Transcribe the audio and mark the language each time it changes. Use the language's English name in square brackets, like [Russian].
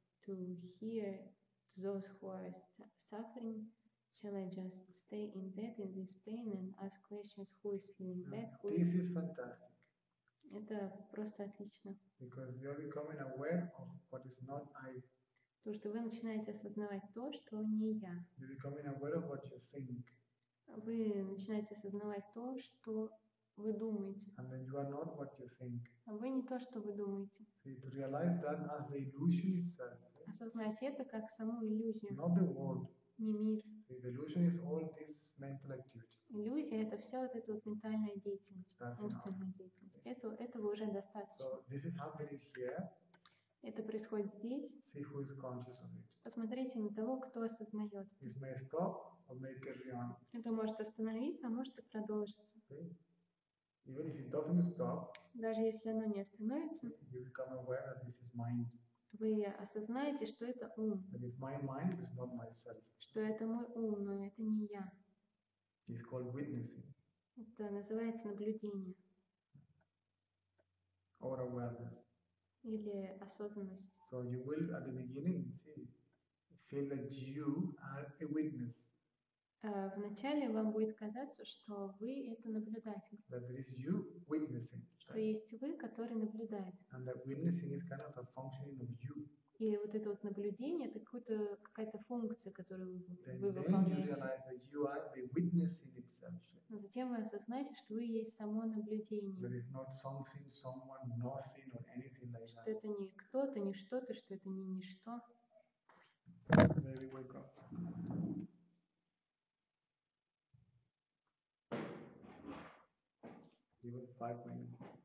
[English] To hear those who are suffering, shall I just stay in debt, in this pain, and ask questions, who is feeling bad, who this is fantastic. [Russian] Это просто отлично. [English] Because you are becoming aware of what is not I. [Russian] То, что вы начинаете осознавать то, что не я. [English] You're becoming aware of what you think. [Russian] Вы начинаете осознавать то, что вы думаете. [English] And then you are not what you think. [Russian] А вы не то, что вы думаете. [English] See, to realize that as the illusion itself. [Russian] Осознать это как саму иллюзию. [English] Not the world. [Russian] Не мир. [English] See, the illusion is all this mental activity. [Russian] Иллюзия — это все вот эта вот ментальная деятельность. [English] That's [Russian] умственная [English] enough. [Russian] Деятельность. Okay. Этого уже достаточно. [English] So this is happening here. [Russian] Это происходит здесь. [English] See who is conscious of it. [Russian] Посмотрите на того, кто осознает. [English] This may stop or may carry on. [Russian] Это может остановиться, а может и продолжиться. [English] See? Even if it doesn't stop, [Russian] даже если оно не остановится, [English] you become aware that this is mind. [Russian] Вы осознаете, что это ум. [English] That it's my mind, it's not myself. [Russian] Что это мой ум, но это не я. [English] It's called witnessing. [Russian] Это называется наблюдение. [English] Or awareness. [Russian] Или осознанность. [English] So you will at the beginning see, feel that you are a witness. [Russian] Вначале вам будет казаться, что вы — это наблюдатель. [English] That there is you witnessing. [Russian] Что есть вы, который наблюдает. [English] And that witnessing is kind of a functioning of you. [Russian] И вот это вот наблюдение — это какая-то функция, которую вы выполняете. [English] Then you realize that you are the witnessing itself. [Russian] Но затем вы осознаете, что вы есть само наблюдение. [English] There is not something, someone, nothing or anything like that. [Russian] Что это не кто-то, не что-то, что это не ничто. [English] Very welcome. It was 5 minutes.